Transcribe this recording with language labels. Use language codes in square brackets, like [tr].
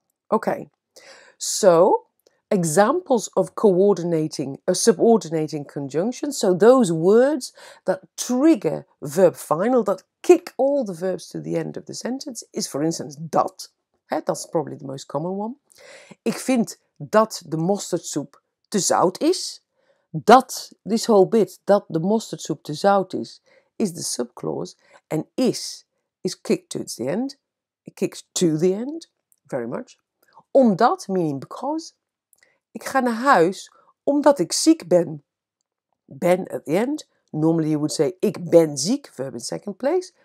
[en] Okay, so examples of subordinating conjunctions, so those words that trigger verb final, that kick all the verbs to the end of the sentence, is for instance dat. That's probably the most common one. [nl] Ik vind dat de mosterdsoep te zout is. [en] Dat, this whole bit, [nl] dat de mosterdsoep te zout is [en] the subclause, and is kicked towards the end. It kicks to the end, very much. Omdat, meaning because. [nl] Ik ga naar huis omdat ik ziek ben. [en] Ben at the end. Normally you would say [nl] ik ben ziek, [en] verb in second place.